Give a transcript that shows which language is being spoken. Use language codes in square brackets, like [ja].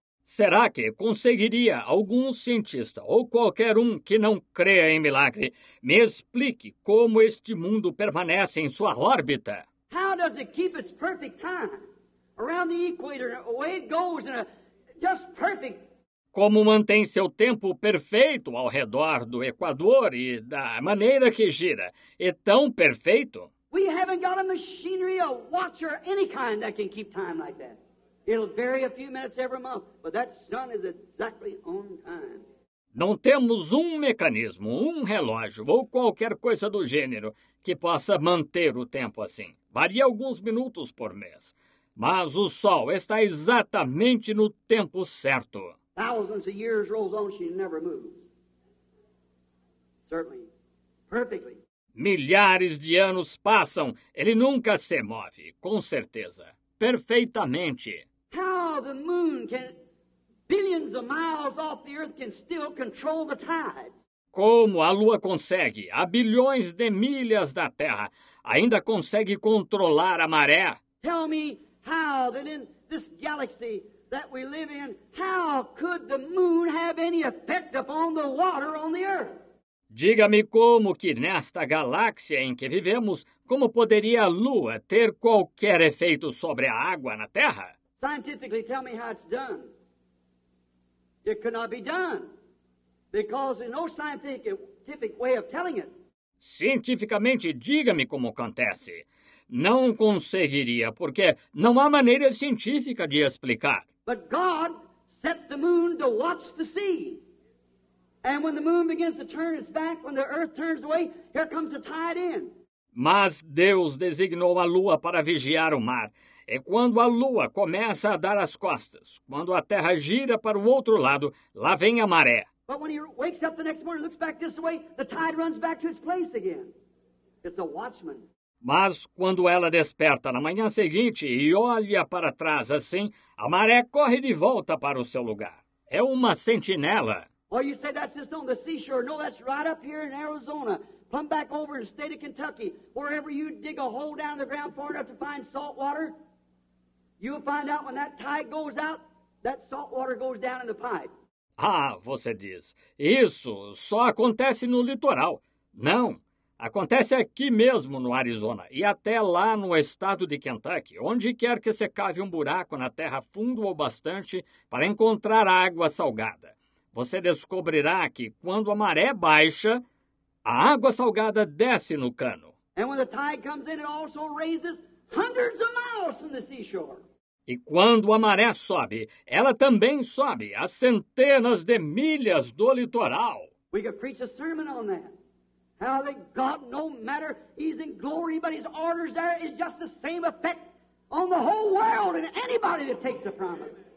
[pt] Será que conseguiria algum cientista ou qualquer um que não creia em milagre me explique como este mundo permanece em sua órbita? [en] How does it keep its perfect time around the equator, away it goes in a just perfect? [pt] Como mantém seu tempo perfeito ao redor do Equador e da maneira que gira? É tão perfeito? [en] We haven't got a machinery, a watch or any kind that can keep time like that. It'll vary a few minutes every month, but that sun is exactly on time. [pt] Não temos um mecanismo, um relógio ou qualquer coisa do gênero que possa manter o tempo assim. Varia alguns minutos por mês, mas o sol está exatamente no tempo certo. [en] Thousands of years rolls on, she never moves. Certainly, perfectly. [pt] Milhares de anos passam, ele nunca se move, com certeza, perfeitamente. [en] How the moon can, billions of miles off the earth, can still control the tides? [pt] Como a lua consegue, a bilhões de milhas da Terra, ainda consegue controlar a maré? [en] Tell me how that in this galaxy that we live in, how could the moon have any effect upon the water on the earth? [pt] Diga-me como que nesta galáxia em que vivemos, como poderia a lua ter qualquer efeito sobre a água na Terra? [en] Scientifically, tell me how it's done. It could not be done, because there's no scientific way of telling it. [pt] Cientificamente, diga-me como acontece. Não conseguiria, porque não há maneira científica de explicar. [en] But God set the moon to watch the sea. And when the moon begins to turn its back, when the earth turns away, here comes the tide in. [pt] Mas Deus designou a lua para vigiar o mar. é quando a lua começa a dar as costas. Quando a terra gira para o outro lado, lá vem a maré. [en] But when he wakes up the next morning and looks back this way, the tide runs back to its place again. It's a watchman. [pt] Mas quando ela desperta na manhã seguinte e olha para trás assim, a maré corre de volta para o seu lugar. É uma sentinela. [en] Oh, you say that's just on the seashore. No, that's right up here in Arizona. Come back over in the state of Kentucky. Wherever you dig a hole down the ground far enough to find salt water, you'll find out when that tide goes out, that salt water goes down in the pipe. [pt] Ah, você diz, isso só acontece no litoral. Não, acontece aqui mesmo no Arizona e até lá no estado de Kentucky, onde quer que você cave um buraco na terra fundo o bastante para encontrar água salgada. Você descobrirá que quando a maré baixa, a água salgada desce no cano. [en] And when the tide comes in, it also raises hundreds of miles from the seashore. [pt] E quando a maré sobe, ela também sobe a centenas de milhas do litoral. [en] We could preach a sermon on that. How that God, no matter, he's in glory, but his orders there is just the same effect on the whole world and anybody that takes the promise.